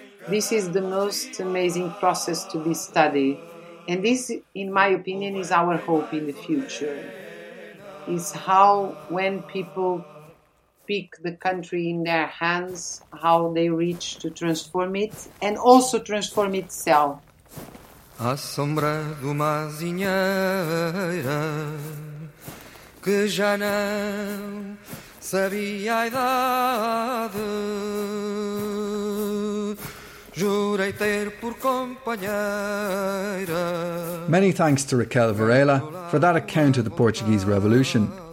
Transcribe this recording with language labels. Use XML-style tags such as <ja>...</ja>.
<en>This is the most amazing process to be studied. And this, in my opinion, is our hope in the future. Is how, when people pick the country in their hands, how they reach to transform it and also transform itself.</en> <pt>À sombra de uma azinheira que já não sabia a idade, jurei ter por companheira.</pt> <en>Many thanks to Raquel Varela for that account of the Portuguese Revolution.</en>